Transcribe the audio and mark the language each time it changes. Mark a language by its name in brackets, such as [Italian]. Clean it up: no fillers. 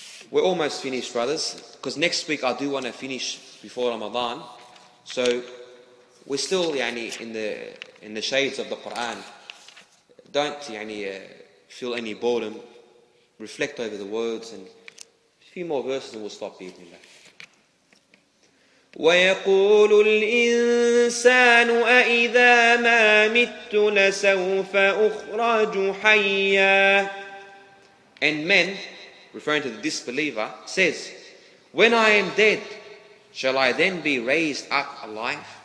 [English] We're almost finished, brothers, because next week I do want to finish before Ramadan. So we're still in the shades of the Quran. Don't feel any boredom. Reflect over the words, and a few more verses and we'll stop here. [Arabic] ويقول الإنسان أإذا ما مت لسوف أخرج حيا. [English] And men, referring to the disbeliever, says, when I am dead, shall I then be raised up alive?